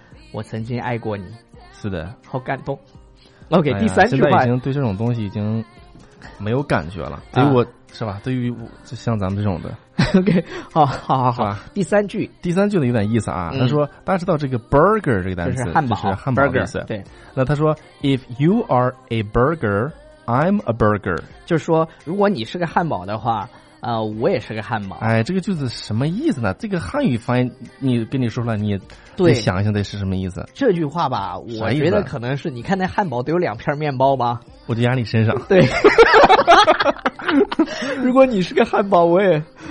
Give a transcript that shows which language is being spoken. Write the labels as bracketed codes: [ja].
[zh] 我曾经爱过你，是的，好感动。OK，第三句话，现在已经对这种东西已经没有感觉了。对于我是吧？对于我就像咱们这种的，OK， 好。第三句的有点意思啊。他说，大家知道这个 burger 这个单词，就是汉堡，就是汉堡的意思。对。那他说 [en] ，If you are a burger, I'm a burger。 [zh] 就是说，如果你是个汉堡的话，我也是个汉堡。哎，这个句子什么意思呢？这个汉语翻译，你跟你说了，你对你想一想，这是什么意思？这句话吧，我觉得可能是，你看那汉堡都有两片面包吗？我就压你身上。对，如果你是个汉堡，我也。